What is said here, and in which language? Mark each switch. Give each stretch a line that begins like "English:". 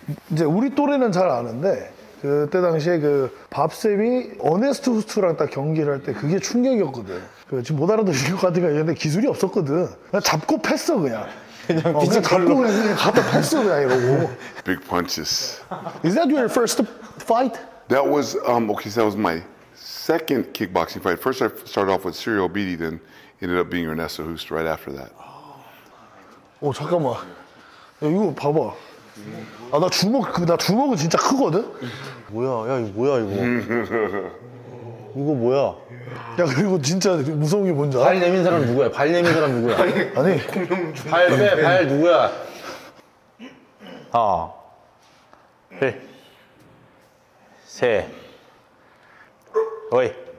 Korean: 이제 우리 또래는 잘 아는데 그때 당시에 그 밥쌤이 어네스트 후스트랑 딱 경기를 할 때 그게 충격이었거든. 그 지금 못 알아들을 것 같으니까 얘네 기술이 없었거든. 그냥 잡고 패어 그냥. 그냥 잡고 그냥 갖다 패어 그냥 이러고.
English: Big punches. Is that your first fight? That was, that was my second kickboxing fight. First I started off with Cyril Beattie, then ended up being Ernesto Hoost right after that.
Korean: 오, 잠깐만. 야, 이거 봐봐. 아, 나 주먹은 진짜 크거든? 뭐야, 야, 이거 뭐야, 이거. 이거 뭐야? 야, 그리고 진짜 무서운 게 뭔지 알아? 발 내민 사람 누구야? 발 내민 사람 누구야? 아니. 발 빼, 발 누구야? 하나, 둘, 셋, 오이.